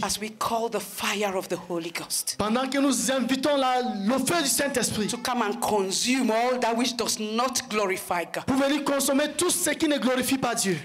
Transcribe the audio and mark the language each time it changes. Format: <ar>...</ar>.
<en>As we call the fire of the Holy Ghost.</en> <fr>Pendant que nous invitons le feu du Saint-Esprit.</fr> <en>To come and consume all that which does not glorify God.</en> <fr>Pour venir consommer tout ce qui ne glorifie pas Dieu.</fr>